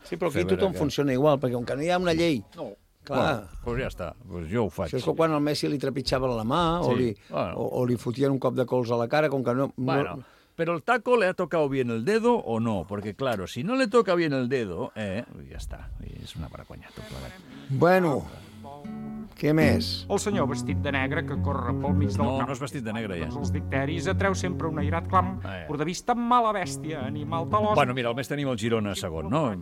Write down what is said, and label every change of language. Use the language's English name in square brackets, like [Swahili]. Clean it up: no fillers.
[Catalan] Sí, però aquí tothom funciona igual, perquè com que no hi ha una llei... No. Clar. Bueno, doncs ja està, doncs jo ho faig. Això és com quan el Messi li trepitjava la mà, sí. o li fotien un cop de colze a la cara, com que no... Bueno. No... [Spanish] Pero el taco le ha tocado bien el dedo o no? Porque claro, si no le toca bien el dedo, ya está. Es una paracoña. [Catalan] Bueno, Què més? El senyor vestit de negre que corre pel mig del camp. No, no és vestit de negre, ja. Els dicteris atreu sempre un airat clam. Curt de vista, mala bèstia, animal talós. Bueno, mira, al més tenim el Girona segon, no?